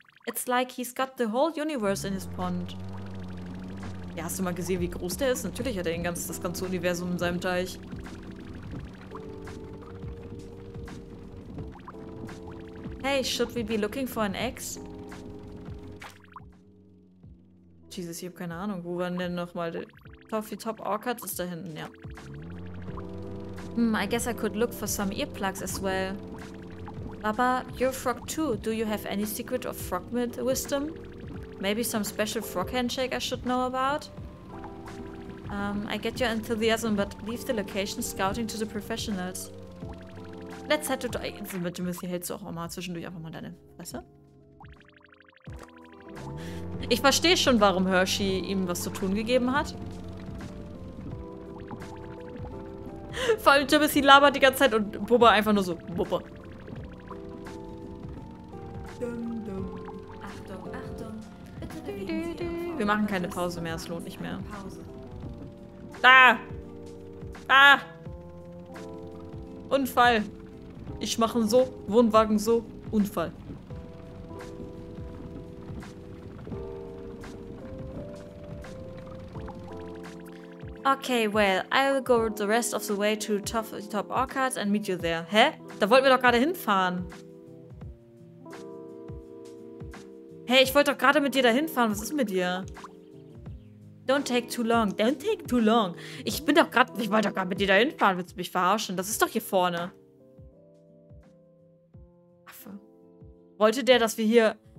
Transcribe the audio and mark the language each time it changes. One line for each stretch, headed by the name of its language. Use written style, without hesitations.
English: It's like he's got the whole universe in his pond.
German: Ja, hast du mal gesehen, wie groß der ist? Natürlich hat er das ganze Universum in seinem Teich.
English: Hey, should we be looking for an ex?
German: Jesus, ich hab keine Ahnung. Wo waren denn nochmal die Toffee Top Orchard? Ist da hinten, ja.
English: Hm, I guess I could look for some earplugs as well. Baba, you're a frog too. Do you have any secret of frog wisdom? Maybe some special frog handshake I should know about? I get your enthusiasm, but leave the location scouting to the professionals. Let's head to...
German: Jimothy, hältst du auch mal zwischendurch einfach mal deine Fresse? Ich verstehe schon, warum Hershey ihm was zu tun gegeben hat. Vor allem Jimothy labert die ganze Zeit und Bubba einfach nur so, Bubba. Wir machen keine Pause mehr, es lohnt nicht mehr. Da! Ah! Unfall. Ich mache so, Wohnwagen so, Unfall.
English: Okay, well, I'll go the rest of the way to Top Orchards and meet you there.
German: Hä? Da wollten wir doch gerade hinfahren. Hey, ich wollte doch gerade mit dir da hinfahren. Was ist mit dir?
English: Don't take too long. Don't take too long.
German: Ich wollte doch gerade mit dir da hinfahren. Willst du mich verarschen? Das ist doch hier vorne. Affe. Wollte der, dass wir hier...